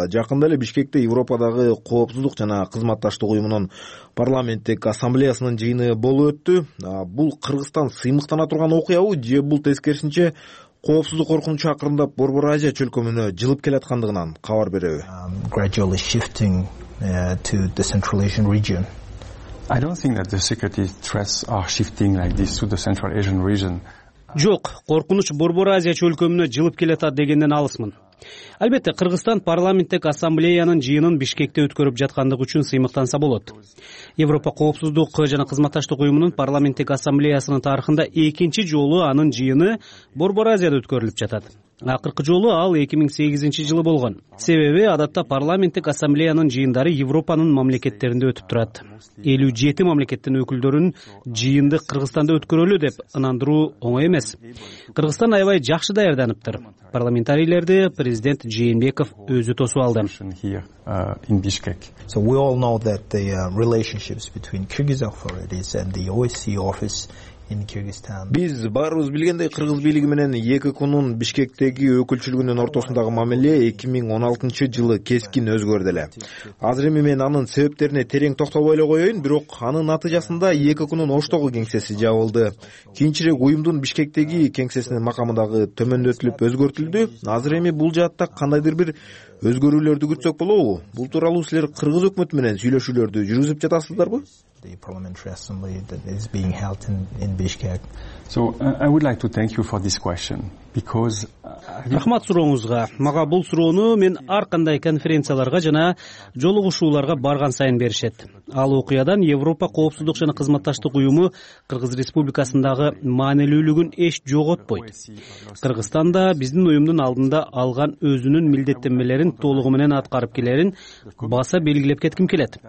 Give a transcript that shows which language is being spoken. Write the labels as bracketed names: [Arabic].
[Kyrgyz] Жакында эле Бишкекте Европадагы коопсуздук жана кызматташтык уюмунун парламенттик ассамблеясынын жыйыны болуп өттү. Бул Кыргызстан сыймыктана турган окуябы же бул тескерисинче коопсуздук коркунучу акырындап Борбор Азия чөлкөмүнө жылып келатканындыгынан кабар беребү? [English] Gradually shifting to the Central Asian region. I don't think that the security threats are shifting like this to the Central Asian region. [Kyrgyz] Жок, коркунуч Борбор Азия чөлкөмүнө жылып келатат дегенден алысмын. Албетте, Кыргызстан парламенттик ассамблеянын жыйынын Бишкекте өткөрүп жаткандыгы үчүн сыймыктанса болот. Европа коопсуздук жана кызматташтык уюмунун парламенттик ассамблеясынын тарыхында экинчи жолу анын жыйыны Борбор Азияда өткөрүлүп жатат. Акыркы жолу ал 2008-жылы болгон. Себеби, адатта парламенттик ассамблеянын жыйындары Европанын мамлекеттеринде өтүп турат. 57 мамлекеттин өкүлдөрүн жыйынды Кыргызстанда өткөрөлү деп ынандыруу оңой эмес. Кыргызстан аябай жакшы даярданыптыр. Парламентарийлерди президент Жээнбеков өзү тосуп алды. [English] So we all know that the relationships between Kyrgyz authorities and the OSCE office [Kyrgyz] Биз баарыбыз билгендей, кыргыз бийлиги менен ЕКК'нун Бишкектеги өкүлчүлүгүнүн ортосундагы мамиле 2016-жылы кескин өзгөрдү эле. Азыр эми мен анын себептерине терең токтобой эле коеюн, бирок анын натыйжасында ЕКК'нун Оштогу кеңсеси жабылды. Кийинчерээк уюмдун Бишкектеги кеңсесинин макамындагы төмөндөтүлүп өзгөртүлдү. Азыр эми бул жаатта кандайдыр бир өзгөрүүлөрдү күтсөк болобу? Бул тууралуу силер кыргыз өкмөтү менен сүйлөшүүлөрдү жүргүзүп жатасыздарбы? [English] the parliamentary assembly that is being held in Bishkek. So I would like to thank you for this question because [Kyrgyz] рахмат сурооңузга. Мага бул суроону мен ар кандай конференцияларга жана жолугушууларга барган сайын беришет. Ал окуядан Европа коопсуздук жана кызматташтык уюму Кыргыз Республикасындагы маанилүүлүгүн эч жоготпойт. Кыргызстан да биздин уюмдун алдында алган өзүнүн милдеттенмелерин толугу менен аткарып келерин баса белгилеп кетким келет.